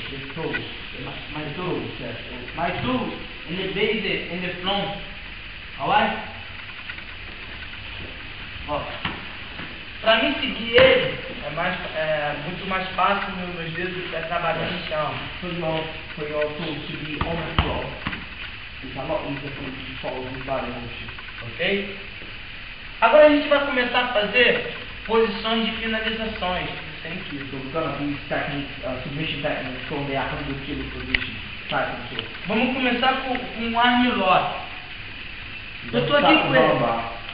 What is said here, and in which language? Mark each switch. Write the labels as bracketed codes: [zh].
[en] the toes. My toes, yes. My toes. And the base, and the front. Alright? [pt] Ó. Pra mim seguir ele, é mais, é muito mais fácil nos dedos que é trabalhar no chão. [en] For your toes to be on the floor. It's a lot easier for me to follow the body motion. Ok? [pt] Agora a gente vai começar a fazer posições de finalizações. [en] Thank you. So we're gonna do techniques, submission techniques from the 100 kilo position. [pt] Vamos começar com um arm lock. Eu tô aqui com ele.